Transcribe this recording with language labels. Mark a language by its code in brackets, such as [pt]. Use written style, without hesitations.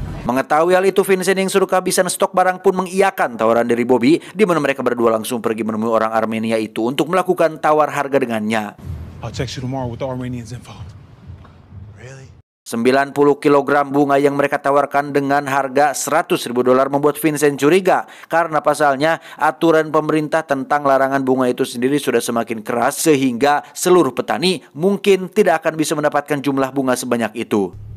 [id] Mengetahui hal itu, Vincent yang suruh kehabisan stok barang pun mengiyakan tawaran dari Bobby, di mana mereka berdua langsung pergi menemui orang Armenia itu untuk melakukan tawar harga dengannya. [en] I'll text you tomorrow with the Armenians info. [id] 90 kg bunga yang mereka tawarkan dengan harga $100,000 membuat Vincent curiga karena pasalnya aturan pemerintah tentang larangan bunga itu sendiri sudah semakin keras sehingga seluruh petani mungkin tidak akan bisa mendapatkan jumlah bunga sebanyak itu.